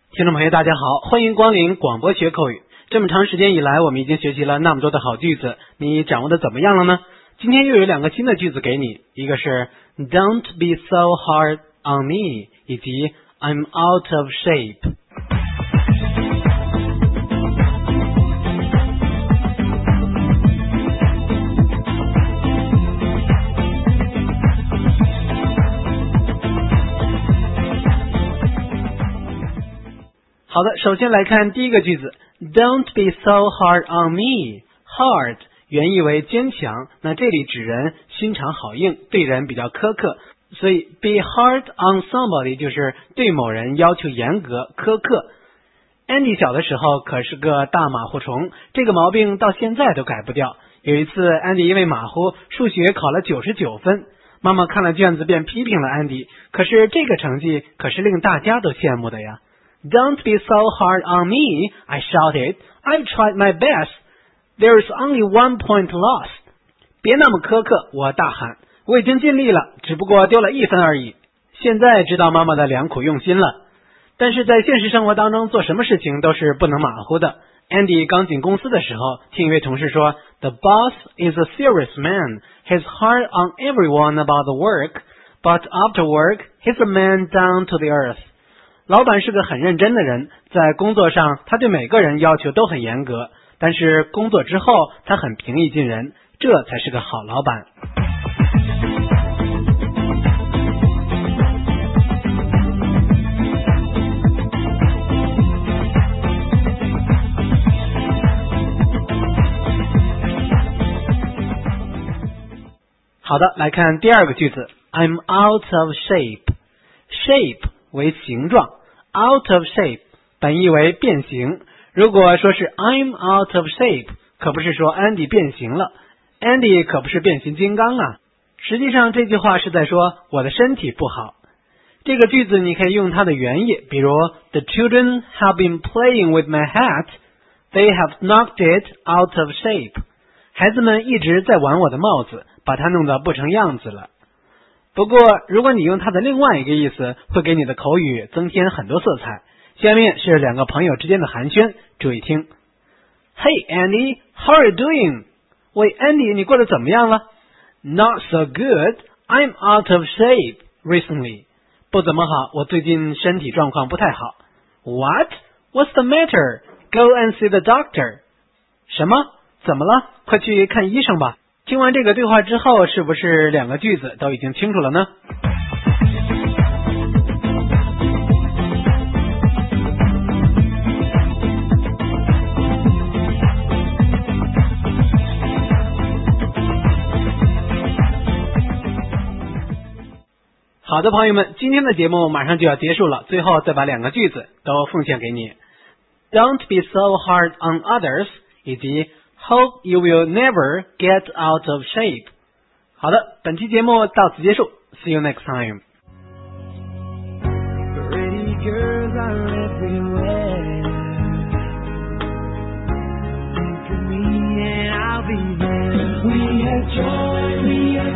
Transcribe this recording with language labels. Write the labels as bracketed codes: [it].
[zh] 听众朋友大家好，欢迎光临广播学口语。这么长时间以来，我们已经学习了那么多的好句子，你掌握的怎么样了呢？今天又有两个新的句子给你，一个是 [en] Don't be so hard on me， [zh] 以及 [en] I'm out of shape。 [zh] 好的，首先来看第一个句子， [en] Don't be so hard on me。 [zh] Hard 原意为坚强，那这里指人心肠好硬，对人比较苛刻，所以 [en] be hard on somebody [zh] 就是对某人要求严格苛刻。 Andy 小的时候可是个大马虎虫，这个毛病到现在都改不掉。有一次 Andy 因为马虎，数学考了99分，妈妈看了卷子便批评了 Andy， 可是这个成绩可是令大家都羡慕的呀。 [en] Don't be so hard on me, I shouted. I've tried my best. There is only one point lost. [zh] 别那么苛刻，我大喊，我已经尽力了，只不过丢了一分而已。现在知道妈妈的良苦用心了。但是在现实生活当中，做什么事情都是不能马虎的。 Andy 刚进公司的时候，听一位同事说， [en] The boss is a serious man. He's hard on everyone about the work, but after work, he's a man down to the earth. [zh] 老板是个很认真的人，在工作上他对每个人要求都很严格，但是工作之后他很平易近人，这才是个好老板。好的，来看第二个句子， [en] I'm out of shape。 [zh] Shape 为形状，out of shape 本意为变形，如果说是 [en] I'm out of shape， [zh] 可不是说 Andy 变形了， Andy 可不是变形金刚啊。实际上这句话是在说我的身体不好。这个句子你可以用它的原意，比如 [en] The children have been playing with my hat. They have knocked it out of shape. [zh] 孩子们一直在玩我的帽子，把它弄得不成样子了。不过如果你用它的另外一个意思，会给你的口语增添很多色彩。下面是两个朋友之间的寒暄，注意听。 [en] Hey Andy, how are you doing? [zh] 喂 Andy, 你过得怎么样了？ [en] Not so good, I'm out of shape recently. [zh] 不怎么好，我最近身体状况不太好。 [en] What? What's the matter? Go and see the doctor. [zh] 什么？怎么了？快去看医生吧。听完这个对话之后，是不是两个句子都已经清楚了呢？好的，朋友们，今天的节目马上就要结束了，最后再把两个句子都奉献给你。 [en] Don't be so hard on others 以及Hope you will never get out of shape. [zh] 好的，本期节目到此结束， [en] See you next time. Pretty girls are everywhere. Think of me and I'll be there. We have joy, we have joy.